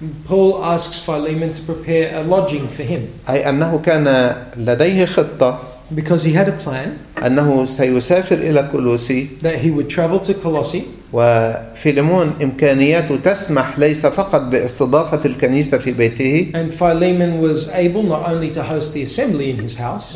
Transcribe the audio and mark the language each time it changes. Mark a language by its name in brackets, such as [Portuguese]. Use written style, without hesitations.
[English] Paul asks Philemon to prepare a lodging for him. [Arabic] أي أنه كان لديه خطة. [English] Because he had a plan. [Arabic] أنه سيسافر إلى كولوسي. [English] That he would travel to Colossae. [Arabic] وفيليمون إمكانياته تسمح ليس فقط باستضافة الكنيسة في بيته. [English] And Philemon was able not only to host the assembly in his house.